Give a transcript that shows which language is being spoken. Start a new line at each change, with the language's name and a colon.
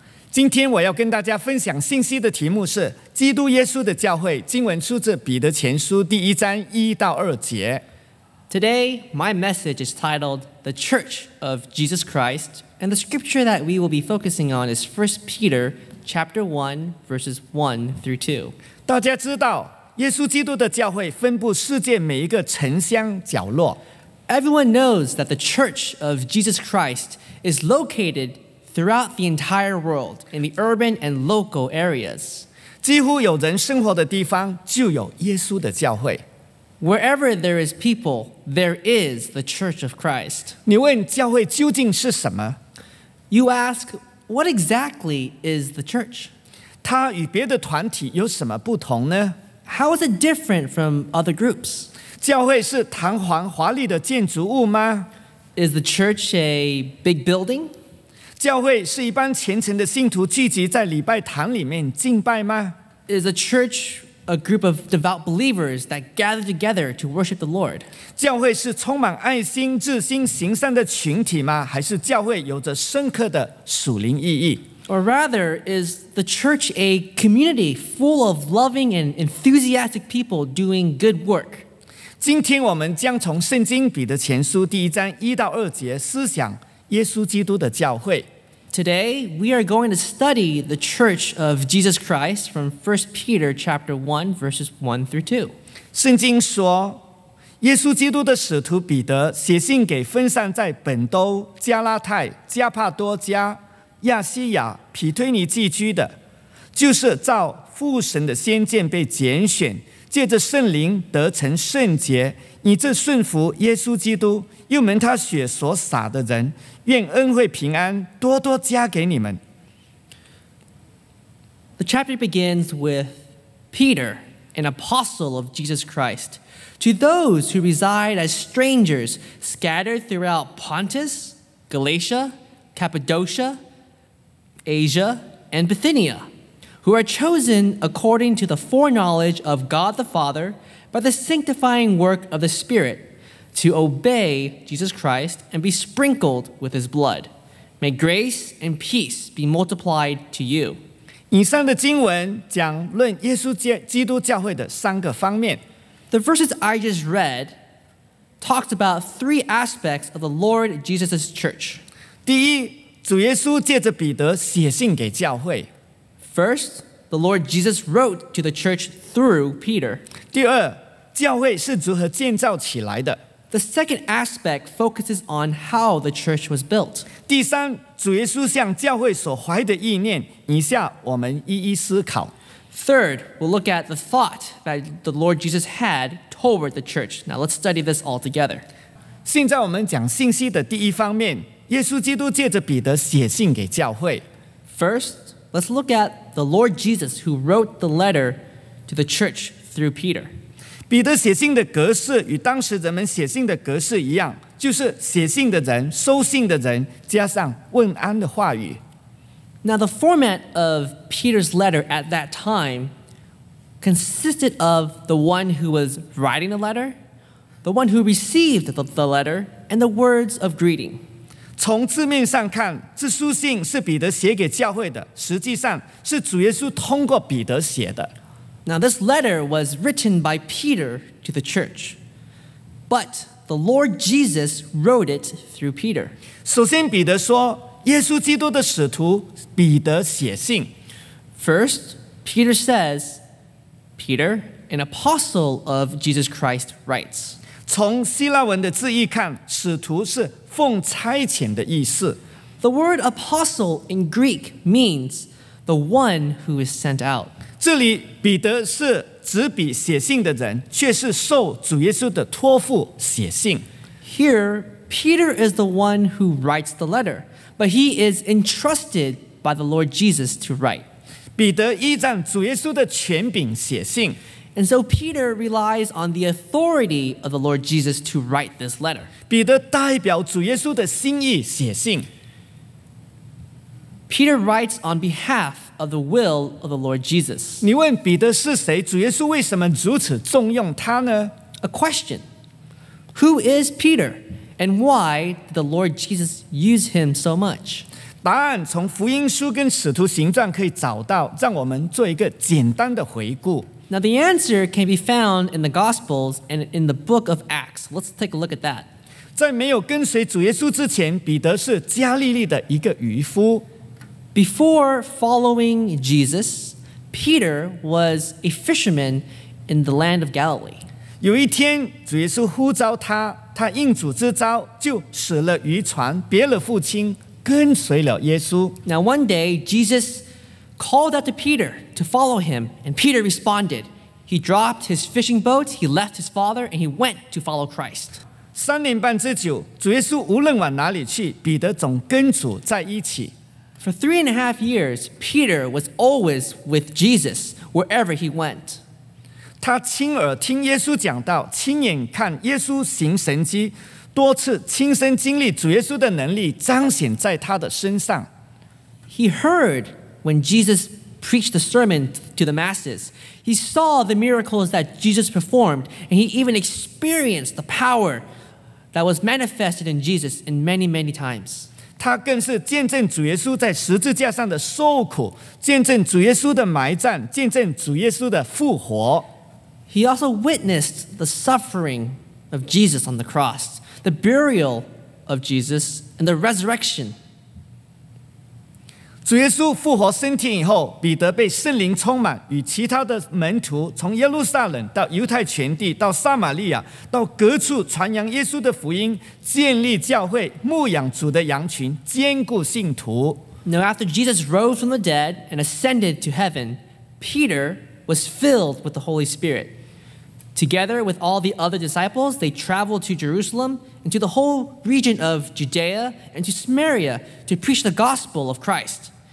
Chinese: 今天我要跟大家分享信息的题目是基督耶稣的教会，经文出自彼得前书第一章一到二节。
English: Today, my message is titled The Church of Jesus Christ, and the scripture that we will be focusing on is 1 Peter chapter 1, verses 1 through 2.
Chinese: 大家知道耶稣基督的教会分布世界每一个城乡角落。
English: Everyone knows that the Church of Jesus Christ is located throughout the entire world in the urban and local areas.
Chinese: 几乎有人生活的地方就有耶稣的教会。
English: Wherever there is people, there is the Church of Christ.
Chinese: 你问教会究竟是什么？
English: You ask, what exactly is the Church?
Chinese: 它与别的团体有什么不同呢？
English: How is it different from other groups?
Chinese: 教会是堂皇华丽的建筑物吗？
English: Is the church a big building?
Chinese: 教会是一般虔诚的信徒聚集在礼拜堂里面敬拜吗？
English: Is the church a group of devout believers that gather together to worship the Lord?
Chinese: 教会是充满爱心、热心、行善的群体吗？还是教会有着深刻的属灵意义？
English: Or rather, is the church a community full of loving and enthusiastic people doing good work?
Chinese: 今天我们将从圣经彼得前书第一章一到二节思想耶稣基督的教会。
English: Today, we are going to study the Church of Jesus Christ from 1 Peter chapter 1, verses 1 through 2.
Chinese: 圣经说，耶稣基督的使徒彼得写信给分散在本都、加拉太、加帕多加、亚西亚、皮推尼寄居的，就是照父神的先见被拣选，借着圣灵得成圣洁，以致顺服耶稣基督，又蒙他血所洒的人，愿恩惠平安多多加给你们。
English: The chapter begins with Peter, an apostle of Jesus Christ, to those who reside as strangers scattered throughout Pontus, Galatia, Cappadocia, Asia, and Bithynia, who are chosen according to the foreknowledge of God the Father by the sanctifying work of the Spirit to obey Jesus Christ and be sprinkled with his blood. May grace and peace be multiplied to you.
Chinese: 以上的经文讲论耶稣基督教会的三个方面。
English: The verses I just read talked about three aspects of the Lord Jesus' church.
Chinese: 第一，主耶稣借着彼得写信给教会。
English: First, the Lord Jesus wrote to the church through Peter.
Chinese: 第二，教会是如何建造起来的。
English: The second aspect focuses on how the church was built.
Chinese: 第三，主耶稣向教会所怀的意念，以下我们一一思考。
English: Third, we'll look at the thought that the Lord Jesus had toward the church. Now let's study this all together.
Chinese: 现在我们讲信息的第一方面，耶稣基督借着彼得写信给教会。
English: First, let's look at the Lord Jesus who wrote the letter to the church through Peter.
Chinese: 彼得写信的格式与当时人们写信的格式一样，就是写信的人、收信的人加上问安的话语。
English: Now the format of Peter's letter at that time consisted of the one who was writing the letter, the one who received the letter, and the words of greeting.
Chinese: 从字面上看，这书信是彼得写给教会的，实际上是主耶稣通过彼得写的。
English: Now this letter was written by Peter to the church, but the Lord Jesus wrote it through Peter.
Chinese: 首先彼得说，耶稣基督的使徒彼得写信。
English: First, Peter says, Peter, an apostle of Jesus Christ, writes.
Chinese: 从希腊文的字义看，使徒是奉差遣的意思。
English: The word apostle in Greek means the one who is sent out.
Chinese: 这里彼得是指笔写信的人，却是受主耶稣的托付写信。
English: Here, Peter is the one who writes the letter, but he is entrusted by the Lord Jesus to write.
Chinese: 彼得依仗主耶稣的权柄写信。
English: And so Peter relies on the authority of the Lord Jesus to write this letter.
Chinese: 彼得代表主耶稣的心意写信。
English: Peter writes on behalf of the will of the Lord Jesus.
Chinese: 你问彼得是谁，主耶稣为什么如此重用他呢？
English: A question. Who is Peter? And why did the Lord Jesus use him so much?
Chinese: 答案从福音书跟使徒行传可以找到，让我们做一个简单的回顾。
English: Now the answer can be found in the Gospels and in the book of Acts. Let's take a look at that.
Chinese: 在没有跟随主耶稣之前，彼得是加利利的一个渔夫。
English: Before following Jesus, Peter was a fisherman in the land of Galilee.
Chinese: 有一天，主耶稣呼召他，他应主之召，就舍了渔船，别了父亲，跟随了耶稣。
English: Now one day, Jesus called out to Peter to follow him, and Peter responded. He dropped his fishing boat, he left his father, and he went to follow Christ.
Chinese: 三年半之久，主耶稣无论往哪里去，彼得总跟主在一起。
English: For 3.5 years, Peter was always with Jesus wherever he went.
Chinese: 他亲耳听耶稣讲道，亲眼看耶稣行神迹，多次亲身经历主耶稣的能力彰显在他的身上。
English: He heard when Jesus preached the sermon to the masses. He saw the miracles that Jesus performed, and he even experienced the power that was manifested in Jesus in many, many times.
Chinese: 他更是见证主耶稣在十字架上的受苦，见证主耶稣的埋葬，见证主耶稣的复活。
English: He also witnessed the suffering of Jesus on the cross, the burial of Jesus, and the resurrection.
Chinese: 主耶稣复活升天以后，彼得被圣灵充满，与其他的门徒从耶路撒冷到犹太全地，到撒玛利亚，到各处传扬耶稣的福音，建立教会，牧养主的羊群，坚固信徒。
English: Now after Jesus rose from the dead and ascended to heaven, Peter was filled with the Holy Spirit. Together with all the other disciples, they traveled to Jerusalem and to the whole region of Judea and to Samaria to preach the gospel of Christ.